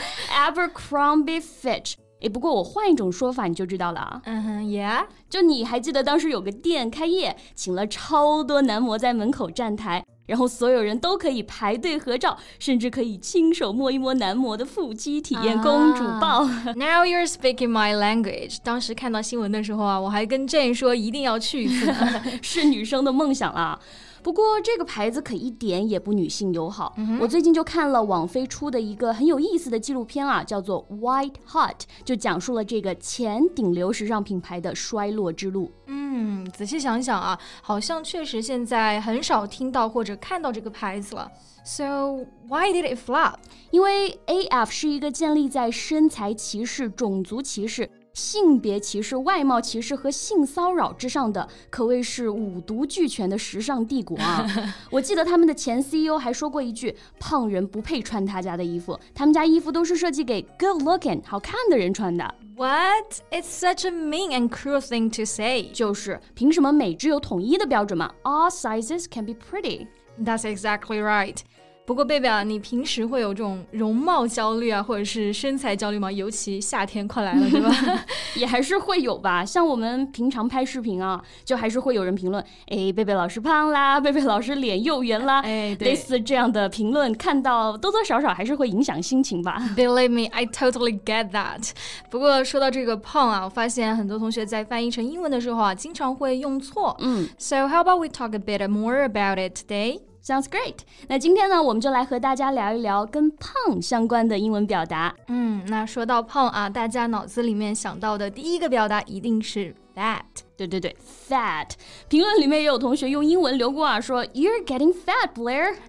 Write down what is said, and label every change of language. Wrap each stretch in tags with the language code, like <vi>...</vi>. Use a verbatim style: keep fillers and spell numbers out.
<en>？Abercrombie Fitch。</en> <zh>哎，不过我换一种说法你就知道了啊。嗯哼 ，Yeah。就你还记得当时有个店开业，请了超多男模在门口站台，然后所有人都可以排队合照，甚至可以亲手摸一摸男模的腹肌，体验公主抱。</zh> <en>Ah, now you're speaking my language.</en> <zh>当时看到新闻的时候啊，我还跟 Jane 说一定要去一次，是女生的梦想啦。不过这个牌子可一点也不女性友好、mm-hmm. 我最近就看了网飞出的一个很有意思的纪录片啊，叫做 White Hot， 就讲述了这个前顶流时尚品牌的衰落之路。嗯，仔细想想啊，好像确实现在很少听到或者看到这个牌子了。</zh> <en>So why did it flop?</en> <zh>因为 A F 是一个建立在身材歧视、种族歧视、性别歧视、外貌歧视和性骚扰之上的，可谓是五毒俱全的时尚帝国啊！我记得他们的前 C E O 还说过一句，胖人不配穿他家的衣服，他们家衣服都是设计给</zh> <en>good looking</en> <zh>好看的人穿的。</zh> <en>What? It's such a mean and cruel thing to say.</en> <zh>就是凭什么美制有统一的标准嘛？</zh> <en>All sizes can be pretty. That's exactly right.</en> <zh>不过贝贝啊，你平时会有这种容貌焦虑啊，或者是身材焦虑吗？尤其夏天快来了，对吧？也还是会有吧。像我们平常拍视频啊，就还是会有人评论，哎，贝贝老师胖啦，贝贝老师脸又圆啦，哎，类似这样的评论，看到多多少少还是会影响心情吧。</zh> <en>Believe me, I totally get that.</en> <zh>不过说到这个胖啊，我发现很多同学在翻译成英文的时候啊，经常会用错。嗯</zh> <en>So how about we talk a bit more about it today? Sounds great.</en> <zh>那今天呢，我们就来和大家聊一聊跟胖相关的英文表达。嗯，那说到胖啊，大家脑子里面想到的第一个表达一定是 fat。对对对 ，fat。评论里面也有同学用英文留过啊，说</zh> <en>You're getting fat, Blair.</en>